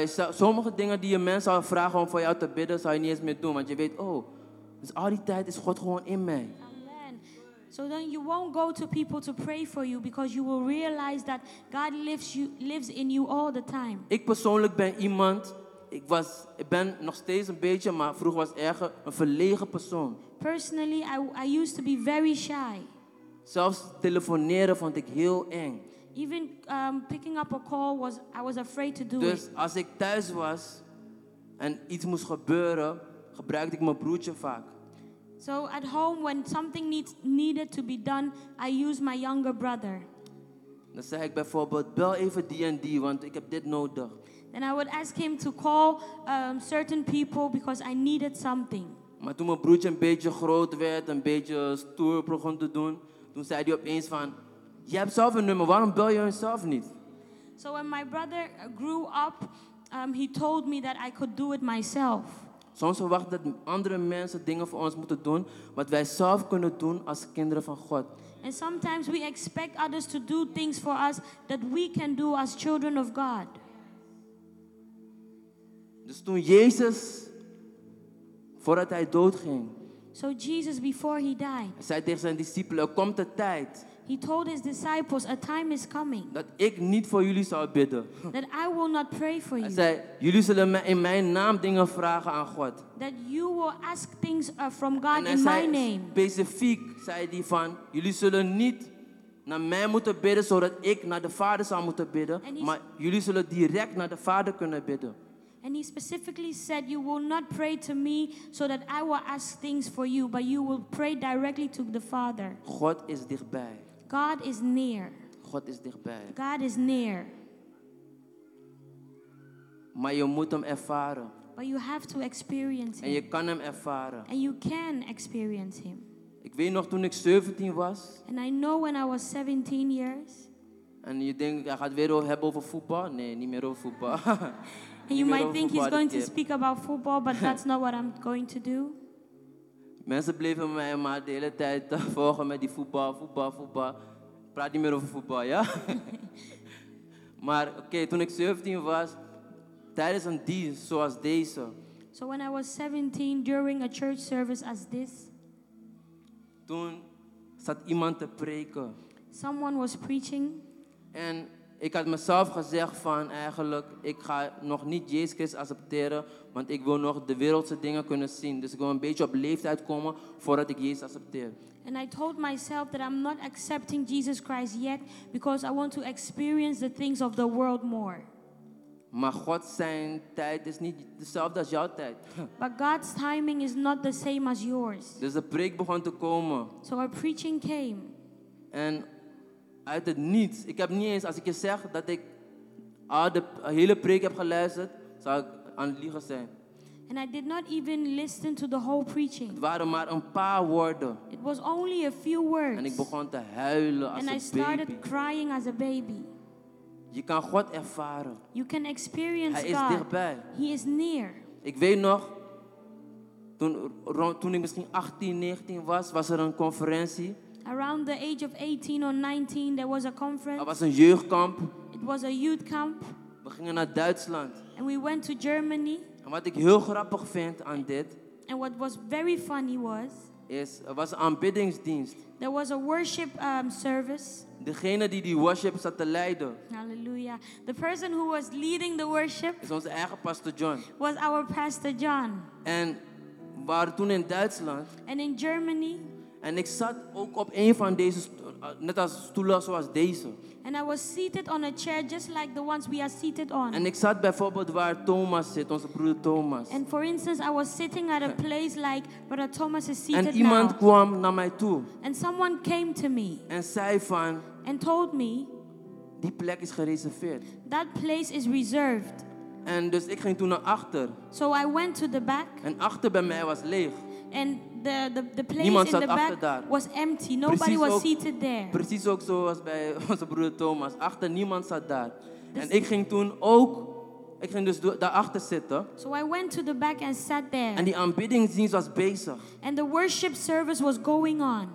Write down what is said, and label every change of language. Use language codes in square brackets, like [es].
[nl] Sommige dingen die je mensen zou vragen om voor jou te bidden, zou je niet eens meer doen. Want je weet, oh, dus al die tijd is God gewoon in mij. Amen. [en] So then you won't go to people to pray for you, because you will realize that God lives in you all the time. [nl] Ik persoonlijk ben iemand, ik ben nog steeds een beetje, maar vroeger was erger, een verlegen persoon. [en] Personally, I used to be very shy. [nl] Zelfs telefoneren vond ik heel eng. [en] Even picking up a call, I was afraid to do [nl] dus [en] it. [nl] Dus als ik thuis was en iets moest gebeuren, gebruikte ik mijn broertje vaak. [en] So at home, when something needed to be done, I used my younger brother. [nl] Dan zei ik bijvoorbeeld, bel even D&D, want ik heb dit nodig. [en] Then I would ask him to call certain people because I needed something. [nl] Maar toen mijn broertje een beetje groot werd, een beetje stoer begon te doen, toen zei hij opeens van, je hebt zelf een nummer, waarom bel je jezelf niet? [en] So when my brother grew up, he told me that I could do it myself. [nl] Soms verwachten dat andere mensen dingen voor ons moeten doen, wat wij zelf kunnen doen als kinderen van God. [en] And sometimes we expect others to do things for us that we can do as children of God. [nl] Dus toen Jezus, voordat hij doodging. [en] So Jesus, before he died. [nl] Hij zei tegen zijn discipelen, komt de tijd. [en] He told his disciples, a time is coming. [nl] Dat ik niet voor jullie zou bidden. [en] That I will not pray for you. [nl] Hij zei, jullie zullen in mijn naam dingen vragen aan God. [en] That you will ask things from God in my name. [nl] Specifiek zei hij van, jullie zullen niet naar mij moeten bidden, zodat ik naar de Vader zou moeten bidden. Maar jullie zullen direct naar de Vader kunnen bidden. [en] And he specifically said, you will not pray to me so that I will ask things for you, but you will pray directly to the Father. [nl] God is dichtbij. [en] God is near. [nl] God is dichtbij. [en] God is near. [nl] Maar je moet hem ervaren. [en] But you have to experience him. [nl] En je kan hem ervaren. [en] And you can experience him. [nl] Ik weet nog toen ik 17 was. [en] And I know when I was 17 years. [nl] En je denkt, hij gaat weer hebben over voetbal. Nee, niet meer over voetbal. [en] And you might think he's going to speak about football, but that's not what I'm going to do. [nl] Mensen bleven mij maar de hele tijd volgen met die voetbal, voetbal, voetbal. Praat niet meer over voetbal, ja? Maar oké, toen ik 17 was, tijdens een dienst zoals deze. [en] So when I was 17, during a church service as this. [nl] Toen zat iemand te preken. [en] Someone was preaching. [nl] En ik had mezelf gezegd van, eigenlijk, ik ga nog niet Jezus Christus accepteren, want ik wil nog de wereldse dingen kunnen zien. Dus ik wil een beetje op leeftijd komen voordat ik Jezus accepteer. [en] And I told myself that I'm not accepting Jesus Christ yet, because I want to experience the things of the world more. [nl] Maar God zijn tijd is niet dezelfde als jouw tijd. [en] But God's timing is not the same as yours. [nl] Dus de preek begon te komen. [en] So our preaching came. [nl] En uit het niets. Ik heb niet eens, als ik je zeg dat ik de hele preek heb geluisterd, zou ik aan het liegen zijn. [en] And I did not even listen to the whole preaching. [nl] Het waren maar een paar woorden. [en] It was only a few words. [nl] En ik begon te huilen als [en] And [nl] een [en] I started [nl] baby. [en] Crying as a baby. [nl] Je kan God ervaren. [en] You can experience [nl] Hij is [en] God. [nl] Dichtbij. [en] He is near. [nl] Ik weet nog, toen ik misschien 18, 19 was, was er een conferentie. [en] Around the age of 18 or 19, there was a conference. [nl] Dat was een jeugdkamp. [en] It was a youth camp. [nl] We gingen naar Duitsland. [en] And we went to Germany. [nl] En wat ik heel grappig vind aan dit. [en] And what was very funny was. [nl] Is, er was een aanbiddingsdienst. [en] There was a worship service. [nl] Degene die die worship zat te leiden. Hallelujah. [en] The person who was leading the worship. [nl] Is onze eigen pastor John. [en] Was our pastor John. [nl] En we waren toen in Duitsland. [en] And in Germany. [nl] En ik zat ook op een van deze net als stoelen zoals deze. [en] And I was seated on a chair just like the ones we are seated on. [nl] En ik zat bijvoorbeeld waar Thomas zit, onze broeder Thomas. [en] And for instance, I was sitting at a place like Brother Thomas is seated now. [nl] En iemand [en] now. [nl] Kwam naar mij toe. [en] And someone came to me. [nl] En zei van. [en] And told me. [nl] Die plek is gereserveerd. [en] That place is reserved. [nl] En dus ik ging toen naar achter. [en] So I went to the back. [nl] En achter bij mij was leeg. [en] And the place [nl] niemand zat [en] in the back [nl] daar. [en] Was empty. Nobody [nl] precies [en] was [nl] ook, [en] seated there. [nl] Precies ook zoals bij onze broer Thomas. Achter niemand zat daar. Dus en ik ging toen ook, ik ging dus daarachter zitten. [en] So I went to the back and sat there. [nl] En die aanbiddingsdienst was bezig. [en] And the worship service was going on.